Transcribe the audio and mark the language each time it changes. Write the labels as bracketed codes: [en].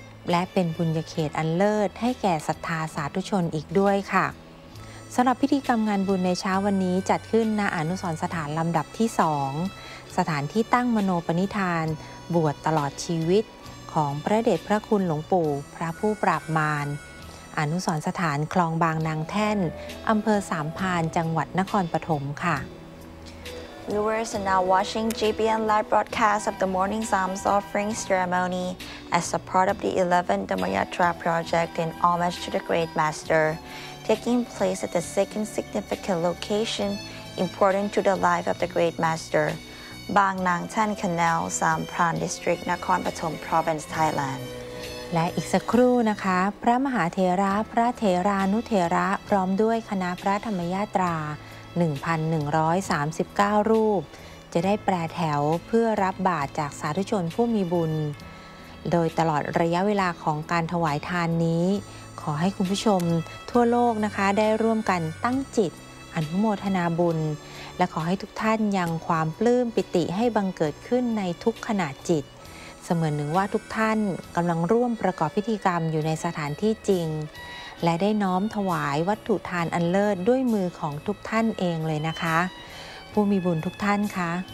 [th] และเป็นบุญญเขตอันเลิศให้แก่ศรัทธาสาธุชนอีกด้วยค่ะสำหรับพิธีกรรมงานบุญในเช้าวันนี้จัดขึ้นณอนุสรณ์สถานลำดับที่2สถานที่ตั้งมโนปณิธานบวชตลอดชีวิตของพระเดชพระคุณหลวงปู่พระผู้ปราบมารอนุสรณ์สถานคลองบางนางแท่นอำเภอสามพานจังหวัดนครปฐมค่ะ [en] Viewers are now watching JBN live broadcast of the Morning Psalms Offering Ceremony as a part of the 11th Dhammayatra Project in homage to the Great Master taking place at the second significant location important to the life of the Great Master Bang Nang Than Canal Sam Phan District Nakhon Pathom Province Thailand [th] และอีกสักครู่นะคะพระมหาเถระพระเถรานุเถระพร้อมด้วยคณะพระธรรมยาตรา 1,139 รูปจะได้แปรแถวเพื่อรับบาตรจากสาธุชนผู้มีบุญ โดยตลอดระยะเวลาของการถวายทานนี้ขอให้คุณผู้ชมทั่วโลกนะคะได้ร่วมกันตั้งจิตอนุโมทนาบุญและขอให้ทุกท่านยังความปลื้มปิติให้บังเกิดขึ้นในทุกขณะจิตเสมือนหนึ่งว่าทุกท่านกำลังร่วมประกอบพิธีกรรมอยู่ในสถานที่จริงและได้น้อมถวายวัตถุทานอันเลิศด้วยมือของทุกท่านเองเลยนะคะผู้มีบุญทุกท่านคะ